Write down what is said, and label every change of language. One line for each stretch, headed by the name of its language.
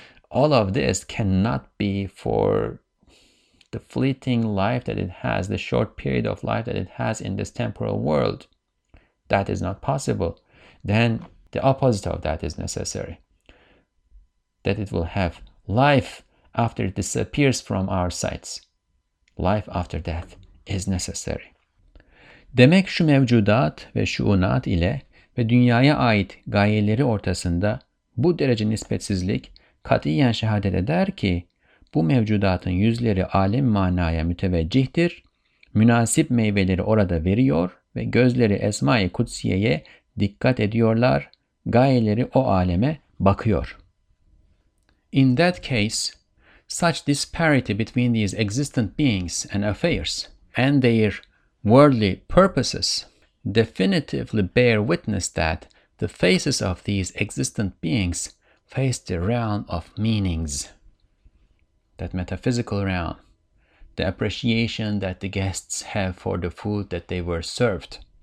English: All of this cannot be for the fleeting life that it has, the short period of life that it has in this temporal world. That is not possible. Then the opposite of that is necessary. That it will have life after it disappears from our sights. Life after death is necessary.
Turkish: Demek şu mevcudat ve şuunat ile ve dünyaya ait gayeleri ortasında bu derece nispetsizlik katiyen şehadet eder ki bu mevcudatın yüzleri alem manaya müteveccihtir, münasip meyveleri orada veriyor ve gözleri esma-i kutsiyeye dikkat ediyorlar, gayeleri o aleme bakıyor.
English: In that case, such disparity between these existent beings and affairs and their worldly purposes definitively bear witness that the faces of these existent beings face the realm of meanings, that metaphysical realm, the appreciation that the guests have for the food that they were served.